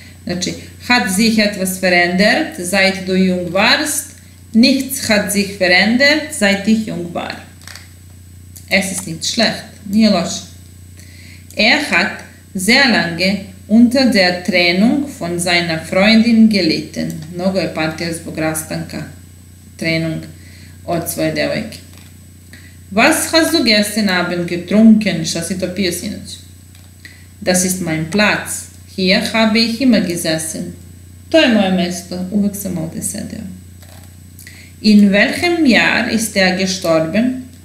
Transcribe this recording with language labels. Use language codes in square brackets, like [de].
[de] Znači, hat sich etwas verändert, seit du jung warst. Nichts hat sich verändert, seit ich jung war. Es ist nicht schlecht, [sr] nije loš. [de] Er hat sehr lange unter der Trennung von seiner Freundin gelitten. [sr] Mnogo je patio zbog rastanka, Trennung od svoje devojke. [de] Was hast du gestern Abend getrunken? [sr] Šta si to pio sinoć? [de] Das ist mein Platz. Hier habe ich immer gesessen. [sr] To je moje mesto, uvek sam ovdje sedeo. [de] In welchem Jahr ist er gestorben?